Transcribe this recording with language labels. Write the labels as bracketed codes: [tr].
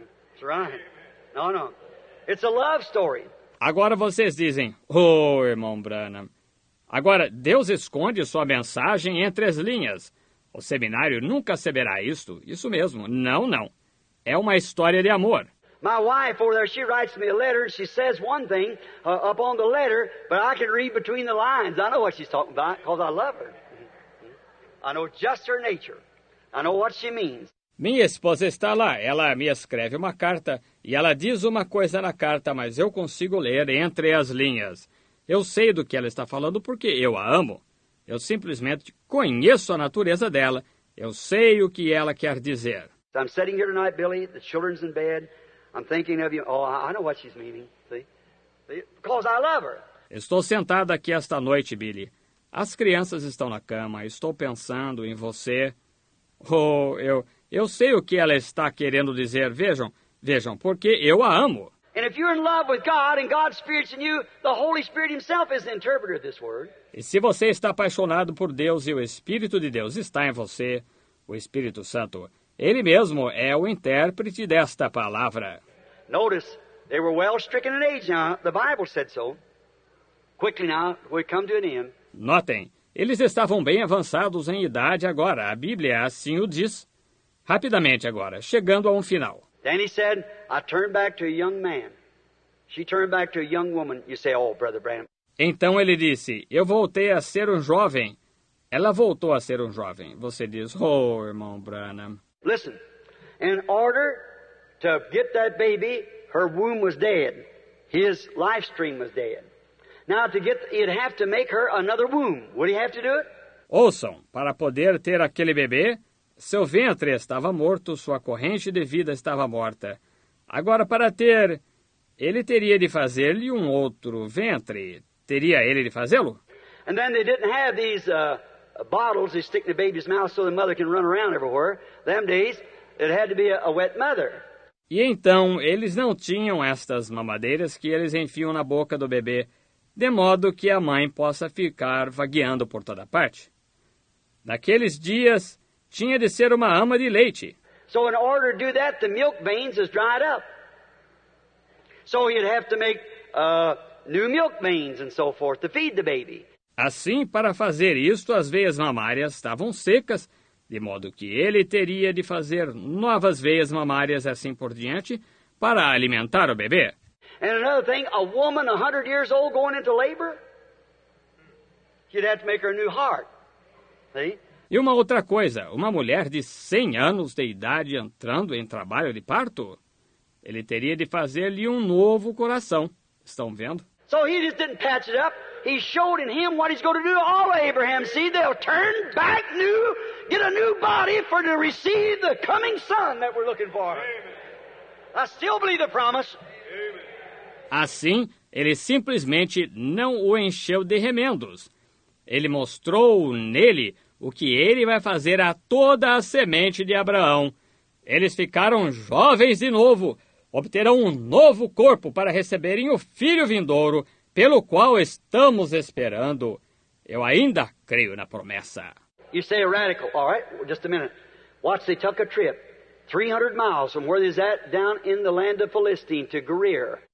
[en] That's right. No, no. It's a love story. [pt] Agora vocês dizem, oh, irmão Branham. Agora, Deus esconde sua mensagem entre as linhas. O seminário nunca saberá isto. Isso mesmo. Não, não. É uma história de amor. [en] My wife over there, she writes me a letter and she says one thing up on the letter, but I can read between the lines. I know what she's talking about because I love her. I know just her nature. I know what she means. [pt] Minha esposa está lá. Ela me escreve uma carta e ela diz uma coisa na carta, mas eu consigo ler entre as linhas. Eu sei do que ela está falando porque eu a amo. Eu simplesmente conheço a natureza dela. Eu sei o que ela quer dizer. [en] I'm sitting here tonight, Billy. The children's in bed. I'm thinking of you. Oh, I know what she's meaning. See? Because I love her. [pt] Estou sentado aqui esta noite, Billy. As crianças estão na cama. Estou pensando em você. Oh, eu sei o que ela está querendo dizer. Vejam, vejam, porque eu a amo. [en] And if you're in love with God and God's Spirit's in you, the Holy Spirit himself is the interpreter of this word. [pt] E se você está apaixonado por Deus e o Espírito de Deus está em você, o Espírito Santo, ele mesmo é o intérprete desta palavra. [en] Notice, they were well stricken in age, huh? The Bible said so. Quickly now, we come to an end. [pt] Notem, eles estavam bem avançados em idade agora. A Bíblia assim o diz. Rapidamente agora, chegando a um final. [en] Then he said, I turned back to a young man. She turned back to a young woman. You say, oh, Brother Branham. [pt] Então ele disse, eu voltei a ser um jovem. Ela voltou a ser um jovem. Você diz, oh, irmão Branham. [en] Listen, in order to get that baby, her womb was dead. His life stream was dead. Now, to get, he'd have to make her another womb. Would he have to do it? [pt] Ouçam, para poder ter aquele bebê, seu ventre estava morto, sua corrente de vida estava morta. Agora, para ter, ele teria de fazer-lhe um outro ventre. Teria ele de fazê-lo? [en] And then they didn't have these bottles they stick in the baby's mouth so the mother can run around everywhere. Them days, it had to be a wet mother. [pt] E então, eles não tinham estas mamadeiras que eles enfiam na boca do bebê, de modo que a mãe possa ficar vagueando por toda parte. Naqueles dias, tinha de ser uma ama de leite. [en] So in order to do that, the milk veins is dried up. So he'd have to make new milk veins and so forth to feed the baby. [pt] Assim, para fazer isto, as veias mamárias estavam secas, de modo que ele teria de fazer novas veias mamárias assim por diante para alimentar o bebê. [en] And another thing, a woman 100 years old going into labor, she'd have to make her a new heart. See? [pt] E uma outra coisa, uma mulher de 100 anos de idade entrando em trabalho de parto, ele teria de fazer-lhe um novo coração. Estão vendo? [en] So he just didn't patch it up. He showed in him what he's going to do to all of Abraham's seed. They'll turn back new, get a new body for to receive the coming son that we're looking for. Amen. I still believe the promise. [pt] Assim, ele simplesmente não o encheu de remendos. Ele mostrou nele o que ele vai fazer a toda a semente de Abraão. Eles ficaram jovens de novo. Obterão um novo corpo para receberem o filho vindouro, pelo qual estamos esperando. Eu ainda creio na promessa. [en] You say a radical. All right, just a minute. Watch, they took a trip 300 miles from where he's at down in the land of Philistine to Gerar.